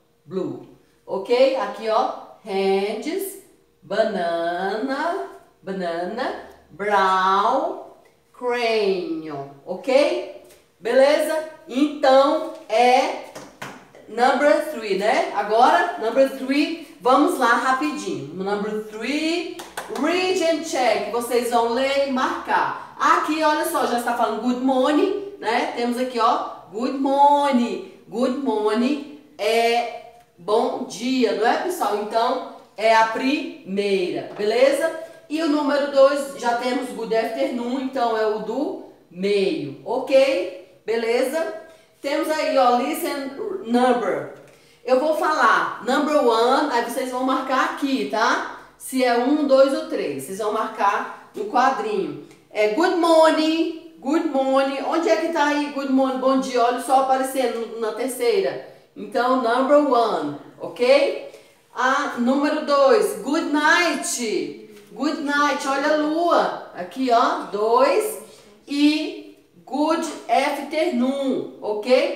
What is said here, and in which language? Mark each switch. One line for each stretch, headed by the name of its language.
English: Blue. Ok?
Portuguese: Aqui, ó.
English: Hands, banana, banana, brown, crayon. Ok?
Portuguese: Beleza? Então é
English: number three,
Portuguese: né? Agora,
English: number three,
Portuguese: vamos lá rapidinho.
English: Number three, read and check.
Portuguese: Vocês vão ler e marcar. Aqui, olha só, já está falando
English: good morning,
Portuguese: né? Temos aqui, ó, good morning é bom dia, não é, pessoal? Então, é a primeira, beleza? E o número dois, já temos
English: good afternoon,
Portuguese: então é o do meio, ok? Beleza? Temos aí, ó,
English: listen number.
Portuguese: Eu vou falar
English: number one,
Portuguese: aí vocês vão marcar aqui, tá? Se é um, dois ou três, vocês vão marcar no quadrinho. É
English: good morning, good morning.
Portuguese: Onde é que tá aí
English: good morning,
Portuguese: bom dia? Olha só aparecendo na terceira. Então,
English: number one,
Portuguese: ok? Ah, número dois,
English: good night. Good night,
Portuguese: olha a lua. Aqui, ó, dois. E
English: good afternoon, ok?